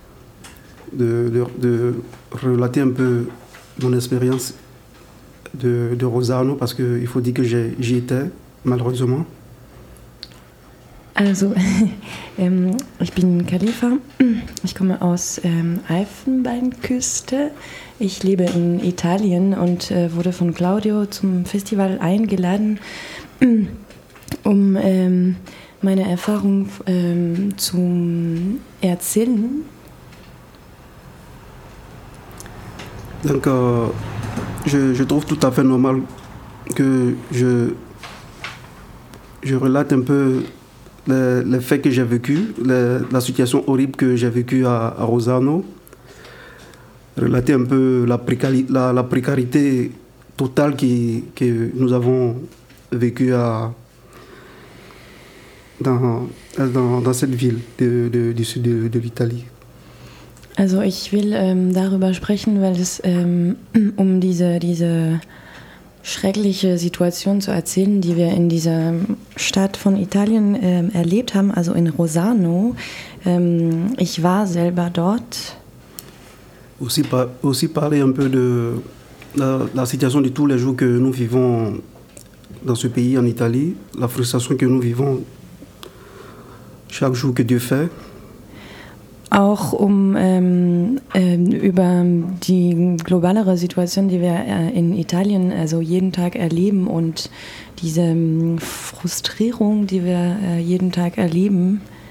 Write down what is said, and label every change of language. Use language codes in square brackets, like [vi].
[fr] Afin de relater un peu mon expérience de Rosarno, parce que il faut dire que j'y étais malheureusement. [de] Also, ich bin Khalifa. Ich komme aus Elfenbeinküste. Ich lebe in Italien und wurde von Claudio zum Festival eingeladen, um meine Erfahrung zu erzählen. [fr] Donc, je trouve tout à fait normal que je relate un peu les faits que j'ai vécu, la situation horrible que j'ai vécue à Rosarno, relater un peu la précarité totale que nous avons vécue dans cette ville du sud de l'Italie. [de] Also ich will darüber sprechen, weil es um diese schreckliche Situation zu erzählen, die wir in dieser Stadt von Italien erlebt haben, also in Rosarno. Ich war selber dort. [fr] Aussi parler un peu de la situation de tous les jours que nous vivons dans ce pays en Italie, la frustration que nous vivons chaque jour que Dieu fait. [de] Auch über die globalere Situation, die wir in Italien also jeden Tag erleben, und diese Frustrierung, die wir jeden Tag erleben.